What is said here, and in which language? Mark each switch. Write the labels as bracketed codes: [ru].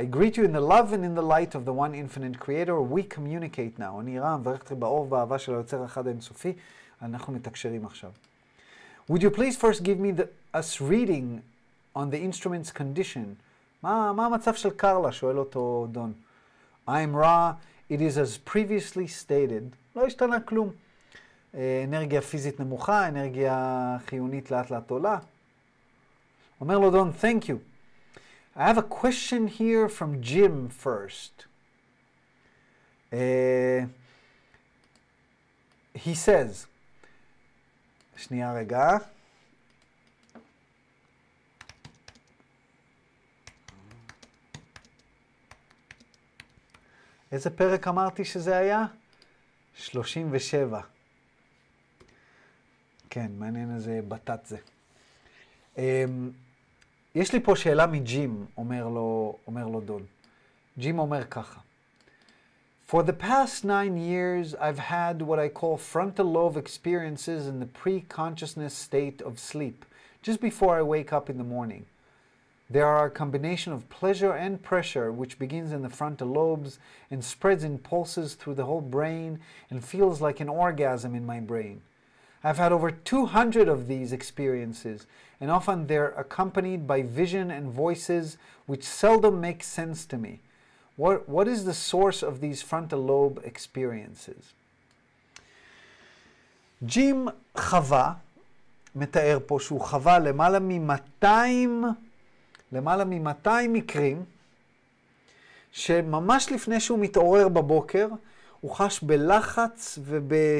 [en] I greet you in the love and in the light of the one infinite creator. We communicate now. [he] אני רע, מברך אתכם באור ובאהבה של היוצר אחד האינסופי. אנחנו מתקשרים עכשיו. [en] Would you please first give me us reading on the instrument's condition? [he] מה המצב של קרלה? שואל אותו דון. [en] I am Ra. It is as previously stated. [he] לא השתנה כלום. אנרגיה פיזית נמוכה, אנרגיה חיונית לאט לאט עולה. אומר לו דון, [en] thank you. I have a question here from Jim first. He says, [he] שנייה רגע. איזה פרק אמרתי שזה היה? 37. כן, מעניין איזה בטט זה. יש לי פה שאלה מג'ים, אומר לו דון. ג'ים אומר ככה. [en] For the past 9 years, I've had what I call frontal lobe experiences in the pre-consciousness state of sleep, just before I wake up in the morning. There are a combination of pleasure and pressure which begins in the frontal lobes and spreads in pulses through the whole brain and feels like an orgasm in my brain. I've had over 200 of these experiences, and often they're accompanied by vision and voices which seldom make sense to me. What is the source of these frontal lobe experiences? [he] ג'ים חווה, מתאר פה שהוא חווה למעלה מ-200 מקרים, שממש לפני שהוא מתעורר בבוקר, הוא חש בלחץ וב...